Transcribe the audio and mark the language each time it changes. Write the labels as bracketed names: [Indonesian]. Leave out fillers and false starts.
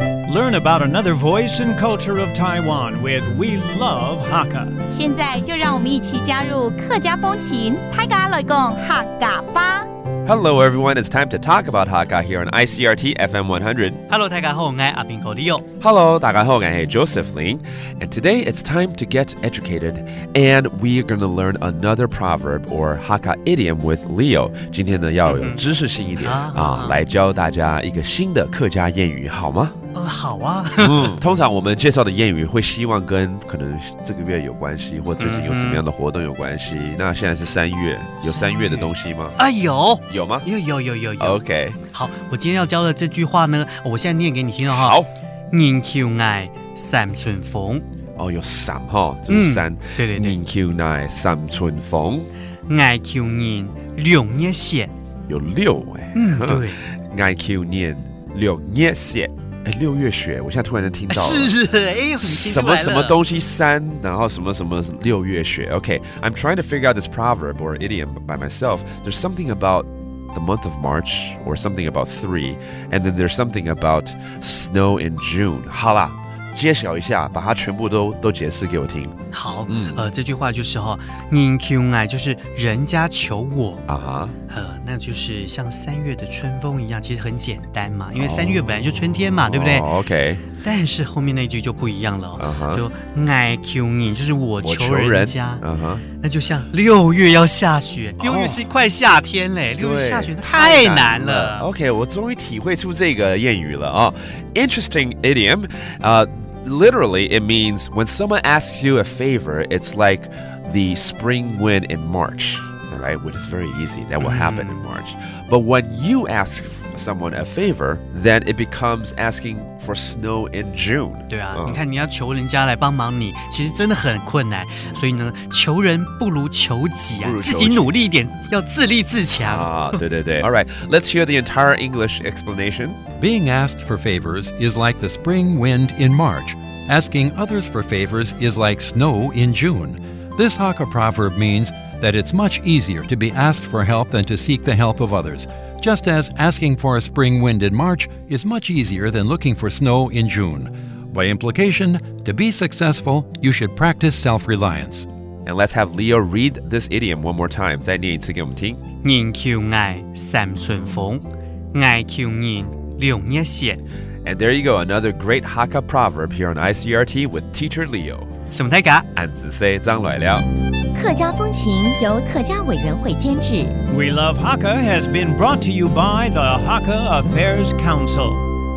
[English] Learn about another voice and culture of Taiwan with We Love Hakka. [Chinese] 现在就让我们一起加入客家风情，大家来讲客家吧。 [English] Hello, everyone. It's time to talk about Hakka here on ICRT FM 100. [Chinese] Hello, 大家好，我是阿宾哥里奥。 Hello, 大家好，我是 Joseph Lin. [English] And today it's time to get educated, and we are going to learn another proverb or Hakka idiom with Leo. [Chinese] 今天呢，要有知识性一点、来教大家一个新的客家谚语，好吗？好啊。通常我们介绍的谚语会希望跟可能这个月有关系，或最近有什么样的活动有关系。那现在是三月，有三月的东西吗？有吗？有。 [English] OK。 [Chinese] 好，我今天要教的这句话呢，我现在念给你听了哈。好。人叫爱三寸缝。哦，有三哈，就是三。对。人叫爱三寸缝，爱叫人两日歇。有六对。爱叫人两日歇。六月雪，我现在突然间听到了，是什么什么东西山，然后什么什么六月雪。 [English] Okay, I'm trying to figure out this proverb or idiom by myself. There's something about the month of March or something about three, and then there's something about snow in June. [Chinese] 好啦，揭晓一下，把它全部都解释给我听。好，这句话就是哈，人求爱就是人家求我啊。Uh-huh. 那就是像三月的春风一样，其实很简单嘛，因为三月本来就春天嘛，对不对 [English] ？OK。 [Chinese] 但是后面那句就不一样了、 uh-huh. 就 I求你，就是我求人家。 Uh-huh. 那就像六月要下雪，六月是快夏天嘞，六月下雪太难了。 OK， 我终于体会出这个谚语了啊、！ [English] Interesting idiom. Literally, it means when someone asks you a favor, it's like the spring wind in March. Right, which is very easy. That will happen in March. But when you ask someone a favor, then it becomes asking for snow in June. [Chinese] 对啊，你看你要求人家来帮忙你，其实真的很困难。所以呢，求人不如求己啊，自己努力一点，要自立自强。对。 [English] All right, let's hear the entire English explanation. Being asked for favors is like the spring wind in March. Asking others for favors is like snow in June. This Hakka proverb means that it's much easier to be asked for help than to seek the help of others. Just as asking for a spring wind in March is much easier than looking for snow in June. By implication, to be successful, you should practice self-reliance. And let's have Leo read this idiom one more time. [Chinese] 再念一次给我们听。人求爱三寸缝，爱求人两日歇。 [English] And there you go, another great Hakka proverb here on ICRT with Teacher Leo. [Chinese] 什么大家？俺只说张来了。客家风情由客家委员会监制。 [English] We Love Hakka has been brought to you by the Hakka Affairs Council.